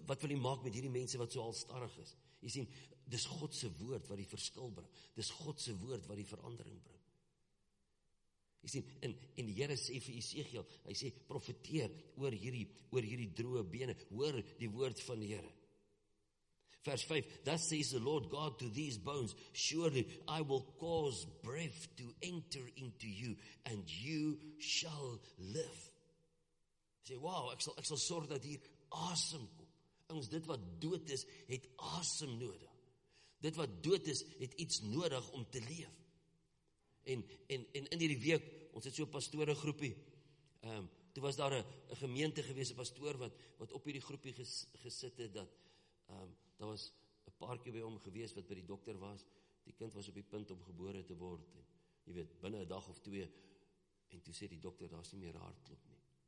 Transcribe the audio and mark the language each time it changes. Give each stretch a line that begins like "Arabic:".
Afrikaans: Wat wil jy maak met hierdie mense wat so alstarrig is? Jy sien, dis God se woord wat die verskil bring. Dis God se woord wat die verandering bring. Jy sien, en die Here sê vir Esegiel, hy sê, profeteer oor hierdie droë bene, hoor die woord van die Here. Vers 5,
English: thus says the Lord God to these bones, surely I will cause breath to enter into you, and you shall live.
Afrikaans: Sê, wow, ek sal sorg dat hier asem kom. Ons, dit wat dood is, het asem nodig. Dit wat dood is, het iets nodig om te leef. En in hierdie week, ons het so 'n pastore groepie, toe was daar 'n gemeente gewees, 'n pastoor wat op hierdie groepie gesit het, dat daar was 'n paartjie by hom gewees wat by die dokter was, die kind was op die punt om gebore te word, en jy weet, binne 'n dag of twee, en toe sê die dokter, daar is nie meer hartklop nie.